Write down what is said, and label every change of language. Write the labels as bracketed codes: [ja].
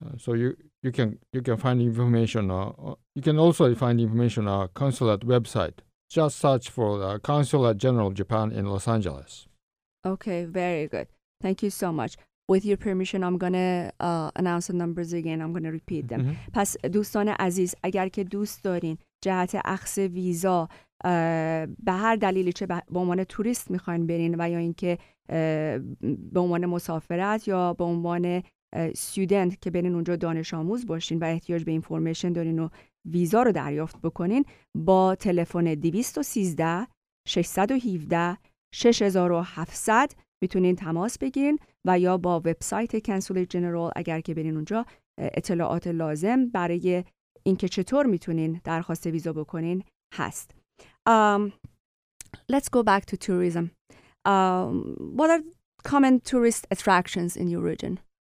[en] So you can find information. You can also find information on our consulate website. Just search for the Consulate General of Japan in Los Angeles. Okay, very good. Thank you so much. With your permission, I'm going to announce the numbers again. I'm going to repeat them. Mm-hmm. [fa] پس دوستان عزیز، اگر که دوست دارین جهت اخذ ویزا به هر دلیلی، چه به عنوان توریست میخواین برین و یا اینکه به عنوان مسافرت یا به عنوان student که برین اونجا دانش آموز باشین و احتیاج به information دارین و ویزا رو دریافت بکنین، با تلفن 213-617-6700 میتونین تماس بگیرین و یا با وبسایت کنسولیت جنرال اگر که برین اونجا اطلاعات لازم برای اینکه چطور میتونین درخواست ویزا بکنین هست. [en] Let's go back to tourism. What are common tourist attractions in your region?